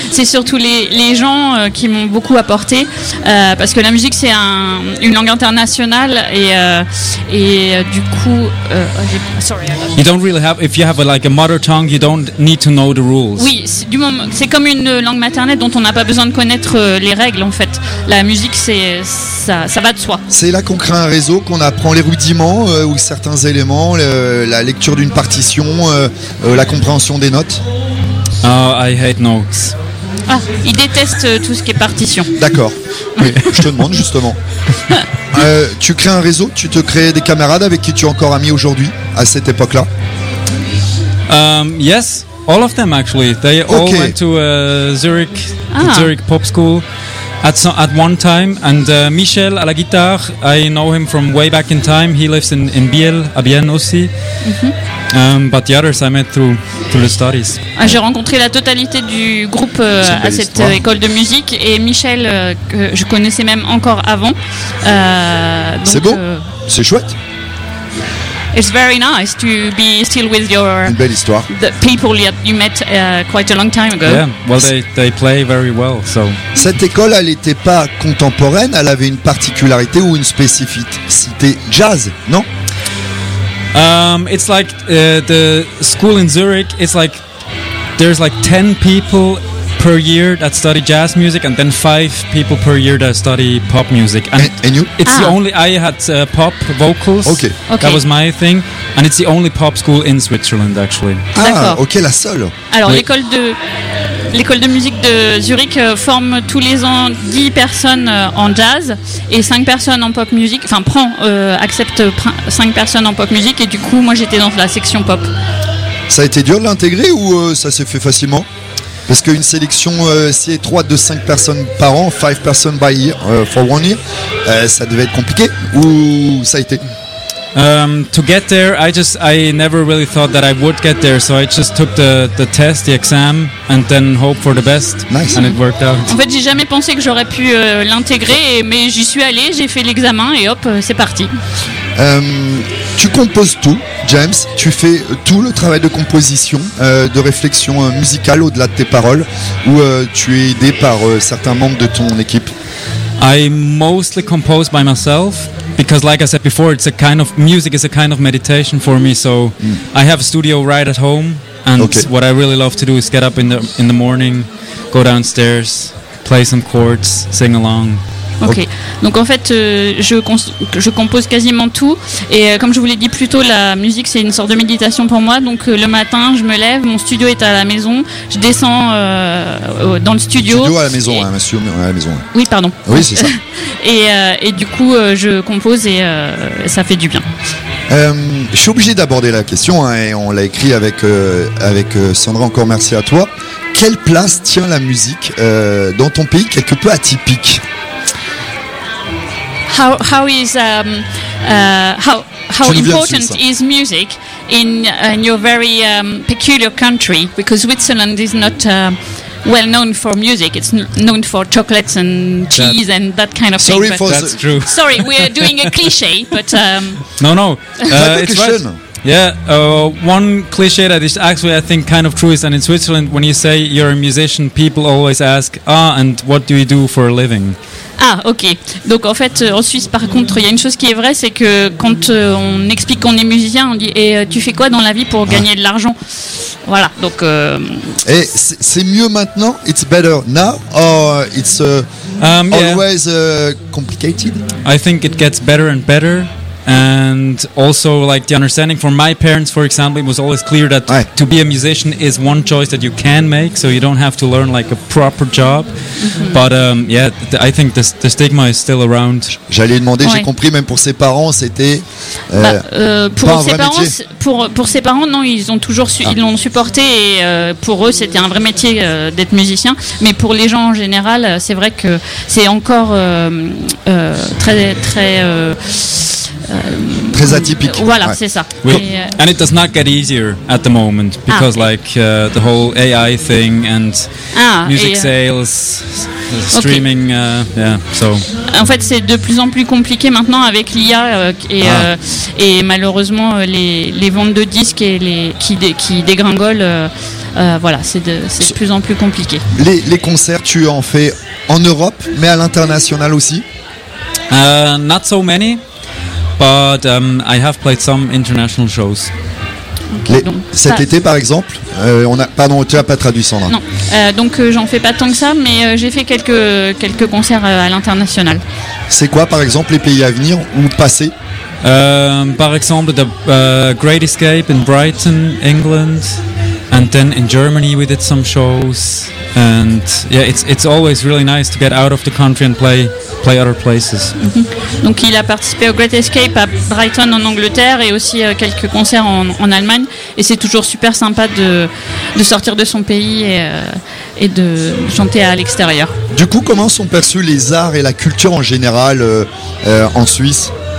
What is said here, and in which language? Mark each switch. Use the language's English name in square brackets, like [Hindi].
[French] C'est surtout les gens qui m'ont beaucoup apporté, parce que la musique c'est une langue internationale [English] You don't really have, if you have a mother tongue, you don't need to know the rules. [French] Oui, c'est comme une langue maternelle dont on n'a pas besoin de connaître les règles en fait. La musique ça va de soi. C'est là qu'on crée un réseau, qu'on apprend les rudiments ou certains éléments, la lecture d'une partition, la compréhension des notes. [English] I hate notes. [French] Ah, il déteste tout ce qui est partition. D'accord. Oui, je te demande justement. Tu crées un réseau, tu te crées des camarades avec qui tu es encore ami aujourd'hui, à cette époque-là. [English] Yes, all of them actually. They all went to Zurich, Zurich Pop School at one time. And Michel [French] à la guitare, [English] I know him from way back in time. He lives in Biel, [French] à Bienne aussi. [English] Mm-hmm. But the others I met through the studies. [French] Ah, j'ai rencontré la totalité du groupe à cette école de musique, et Michel que je connaissais même encore avant. C'est beau, c'est chouette. [English] It's very nice to be still with your [French] une belle histoire. [English] The people you met quite a long time ago. Yeah, well they play very well. So [French] cette école, elle n'était pas contemporaine, elle avait une particularité ou une spécificité jazz, non? [English] It's like the school in Zurich, it's like there's like 10 people per year that study jazz music, and then 5 people per year that study pop music. And you? It's the only, I had pop vocals. Okay. That was my thing. And it's the only pop school in Switzerland actually. [French] Ah, d'accord. Okay, la seule. Alors, oui. L'école de musique de Zurich forme tous les ans 10 personnes en jazz et 5 personnes en pop musique. Enfin, accepte 5 personnes en pop musique, et du coup, moi j'étais dans la section pop. Ça a été dur de l'intégrer ou ça s'est fait facilement? Parce qu'une sélection si étroite de 5 personnes par an, 5 personnes [English] by year, for one year, [French] ça devait être compliqué ou ça a été? [English] To get there, I never really thought that I would get there, so I just took the test, the exam, and then hope for the best. Nice. And it worked out. [French] En fait, j'ai jamais pensé que j'aurais pu l'intégrer, mais j'y suis allé, j'ai fait l'examen, et hop, c'est parti. Tu composes tout, James. Tu fais tout le travail de composition, de réflexion musicale au-delà de tes paroles, ou tu es aidé par certains membres de ton équipe? [English] I mostly compose by myself. Because like I said before, it's a kind of music is a kind of meditation for me. So I have a studio right at home, and what I really love to do is get up in the morning, go downstairs, play some chords, sing along. Okay. [French] Donc en fait je compose quasiment tout, et comme je vous l'ai dit plus tôt, la musique c'est une sorte de méditation pour moi. Donc le matin je me lève, mon studio est à la maison, je descends dans le studio. Studio à la maison, et... monsieur, à la maison. Oui, pardon. Oui, c'est ça. et du coup je compose, et ça fait du bien. Je suis obligé d'aborder la question, hein, et on l'a écrit avec Sandra, encore merci à toi. Quelle place tient la musique dans ton pays quelque peu atypique? [English] How important is music in your very peculiar country? Because Switzerland is not well known for music. It's known for chocolates and cheese and that kind of thing. Sorry, that's true. Sorry, we are doing a cliche, but no. It's right. Yeah, one cliche that is actually, I think, kind of true is that in Switzerland, when you say you're a musician, people always ask, and what do you do for a living? [French] Ah, ok. Donc en fait, en Suisse, par contre, il y a une chose qui est vraie, c'est que quand on explique qu'on est musicien, on dit « Et tu fais quoi dans la vie pour gagner de l'argent ?» Voilà, donc... Et c'est mieux maintenant? [English] It's better now? Or it's always complicated? I think it gets better and better. And also, like, the understanding for my parents, for example, it was always clear that to be a musician is one choice that you can make, so you don't have to learn like a proper job. Mm-hmm. But I think the stigma is still around. [French] J'allais demander, j'ai compris, même pour ses parents, c'était pour ses parents, non, ils ont toujours ils l'ont supporté, et pour eux, c'était un vrai métier d'être musicien. Mais pour les gens en général, c'est vrai que c'est encore très atypique. Voilà, ouais. C'est ça. Oui. [English] And it does not get easier at the moment because the whole AI thing and music sales, streaming, so. [French] En fait, c'est de plus en plus compliqué maintenant avec l'IA et malheureusement les ventes de disques et qui dégringolent. C'est de plus en plus compliqué. Les concerts, tu en fais en Europe, mais à l'international aussi? [English] Not so many. But I have played some international shows. [French] Okay, été, par exemple, tu n'as pas traduit, Sandra. Non, j'en fais pas tant que ça, mais j'ai fait quelques concerts à l'international. C'est quoi, par exemple, les pays à venir ou passés? Par exemple, [English] the Great Escape in Brighton, England, and then in Germany we did some shows. And yeah, it's always really nice to get out of the country and play other places. Mm-hmm. [French] Donc il a participé au Great Escape à Brighton en Angleterre et aussi quelques concerts en Allemagne, et c'est toujours super sympa de sortir de son pays et de chanter à l'extérieur. Du coup, comment sont perçus les arts et la culture en général en Suisse?